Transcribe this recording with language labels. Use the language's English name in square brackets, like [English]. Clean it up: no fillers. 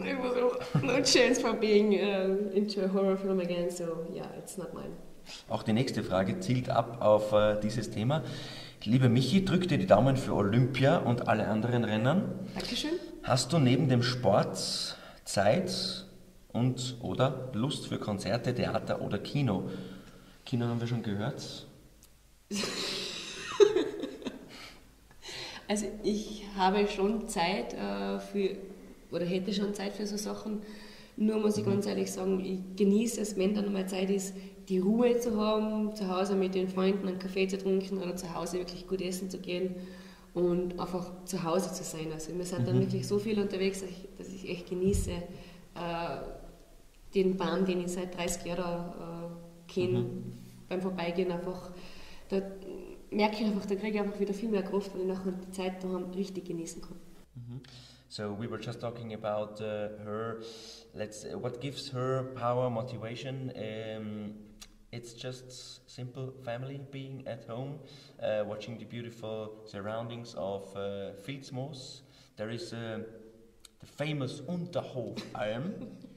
[English] It was no chance for being into a horror film again, so yeah, it's not mine. [German] Auch die nächste Frage zielt ab auf dieses Thema. Lieber Michi, drück dir die Daumen für Olympia und alle anderen Rennen. Dankeschön. Hast du neben dem Sport Zeit und oder Lust für Konzerte, Theater oder Kino? Kino haben wir schon gehört. Also ich habe schon Zeit hätte schon Zeit für so Sachen. Nur muss ich ganz ehrlich sagen, ich genieße es, wenn dann mal Zeit ist, die Ruhe zu haben, zu Hause mit den Freunden einen Kaffee zu trinken oder zu Hause wirklich gut essen zu gehen und einfach zu Hause zu sein. Also wir sind dann wirklich so viel unterwegs, dass ich echt genieße den Bahn, den ich seit 30 Jahren kenne, beim Vorbeigehen einfach. Da merke ich einfach, da kriege ich einfach wieder viel mehr Kraft, weil ich nachher die Zeit daheim richtig genießen kann. [English] So we were just talking about her, what gives her power, motivation, It's just simple family being at home, watching the beautiful surroundings of Vilsmoos. There is the famous Unterhof Alm.